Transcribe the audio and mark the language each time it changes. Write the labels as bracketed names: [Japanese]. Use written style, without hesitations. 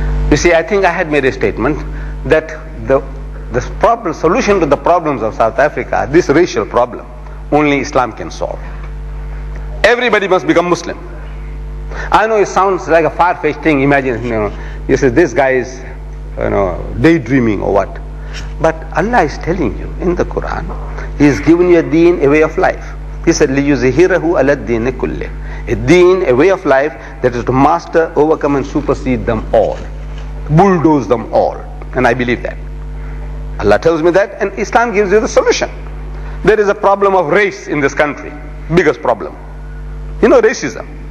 [English] You see, I think I had made a statement that the solution to the problems of South Africa, this racial problem, only Islam can solve. Everybody must become Muslim. I know it sounds like a far-fetched thing. Imagine, you know, you say this guy is, you know, daydreaming or what. But Allah is telling you in the Quran, He has given you a deen, a way of life. He said, [Arabic] لِيُزِهِرَهُ عَلَى الدِّينِ كُلِّهِ. [English] A deen, a way of life that is to master, overcome and supersede them all. Bulldoze them all. And I believe that. Allah tells me that, and Islam gives you the solution. There is a problem of race in this country. Biggest problem. You know, racism.